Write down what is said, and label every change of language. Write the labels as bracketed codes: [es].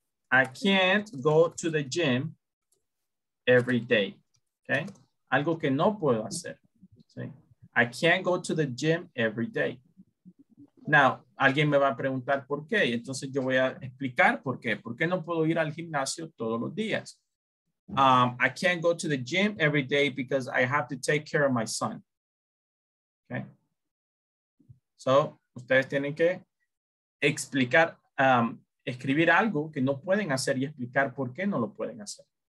[en] I can't go to the gym every day. Okay? [es] Algo que no puedo hacer. ¿Sí? [en] I can't go to the gym every day. [es] Now, alguien me va a preguntar por qué. Entonces yo voy a explicar por qué. ¿Por qué no puedo ir al gimnasio todos los días? [en] I can't go to the gym every day because I have to take care of my son. Okay. [es] So, ustedes tienen que explicar, escribir algo que no pueden hacer y explicar por qué no lo pueden hacer.